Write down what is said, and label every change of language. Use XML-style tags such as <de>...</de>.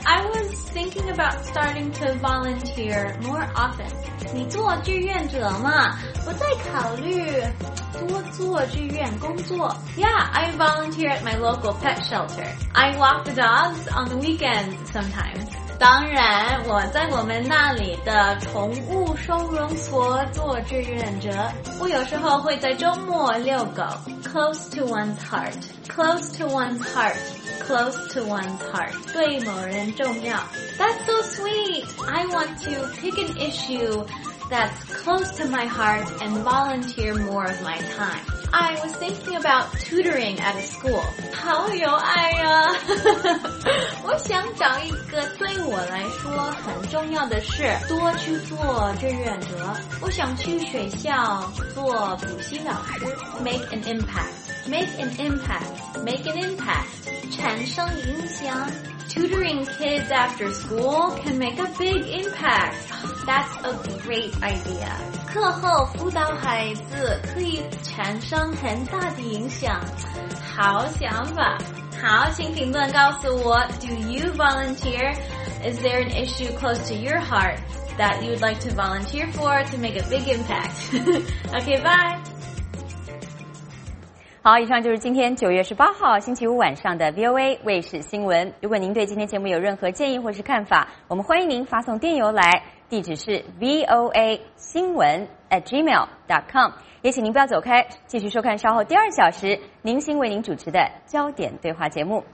<en>I was thinking about starting to volunteer more often.</en> <zh>你做志愿者吗？我在考虑多做志愿工作。</zh> <en>Yeah, I volunteer at my local pet shelter. I walk the dogs on the weekends sometimes.</en> <zh>当然我在我们那里的宠物收容所做志愿者，我有时候会在周末遛狗。</zh> <en>Close to one's heart, close to one's heart, close to one's heart,</en> <zh>对某人重要。</zh> <en>That's so sweet, I want to pick an issue that's close to my heart and volunteer more of my time. I was thinking about tutoring at a school.</en> <zh>好有爱啊！我想找一个对我来说很重要的事，多去做志愿者。我想去学校做补习老师。</zh> <en>Make an impact. Make an impact. Make an impact.</en> <zh>产生影响。</zh> <en>Tutoring kids after school can make a big impact. That's a great idea.</en> <zh>课后辅导孩子可以产生很大的影响。好想法。好，请评论告诉我 ,</zh> <en>Do you volunteer? Is there an issue close to your heart that you'd like to volunteer for to make a big impact? Okay, bye!</en> <zh>好，以上就是今天9月18号星期五晚上的 VOA 卫视新闻。如果您对今天节目有任何建议或是看法，我们欢迎您发送电邮来，地址是 VOA 新闻 news@gmail.com。也请您不要走开，继续收看稍后第二小时宁馨为您主持的焦点对话节目。</zh>